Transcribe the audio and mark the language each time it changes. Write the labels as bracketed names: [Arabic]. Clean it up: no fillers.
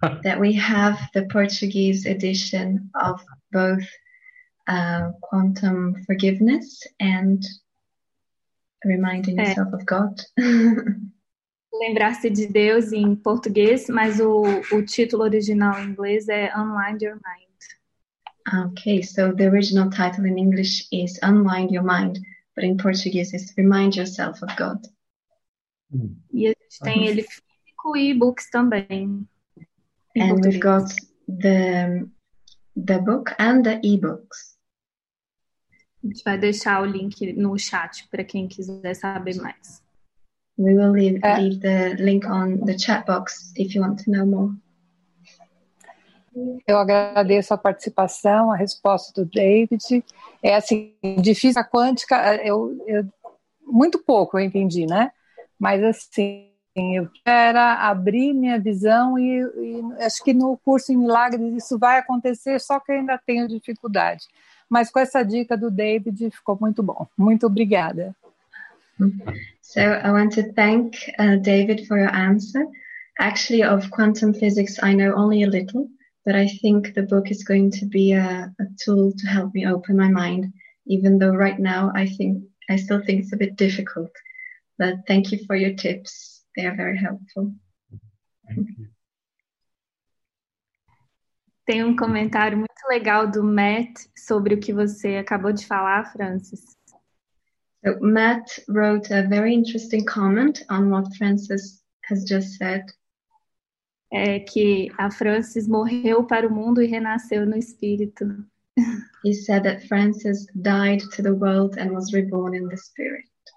[English] that we have the Portuguese edition of both quantum forgiveness and reminding yourself of God. [Portuguese] Lembrar-se de Deus em português, mas o título original em inglês é Unwind Your Mind. [English] Okay, so the original title in English is Unwind Your Mind, but in Portuguese is Remind Yourself of God. [Portuguese] E a gente tem ele físico e e-books também em [English] And we've [Portuguese] português. [English] got the book and the e-books. [Portuguese] A gente vai deixar o link no chat para quem quiser saber mais. [English] We will leave the link on the chat box if you want to know more. [Portuguese] Eu agradeço a participação, a resposta do David. É assim, de física quântica, eu muito pouco eu entendi, né? Mas assim, eu quero abrir minha visão e acho que no curso em milagres isso vai acontecer, só que eu ainda tenho dificuldade. Mas com essa dica do David ficou muito bom. Muito obrigada. [English] So I want to thank David for your answer. Actually, of quantum physics, I know only a little, but I think the book is going to be a tool to help me open my mind, even though right now I still think it's a bit difficult. But thank you for your tips. They are very helpful. [Portuguese] Tem um comentário muito legal do Matt sobre o que você acabou de falar, Francis. [English] So Matt wrote a very interesting comment on what Francis has just said. [Portuguese] É que a Frances morreu para o mundo e renasceu no espírito. [English] He said that Frances died to the world and was reborn in the spirit.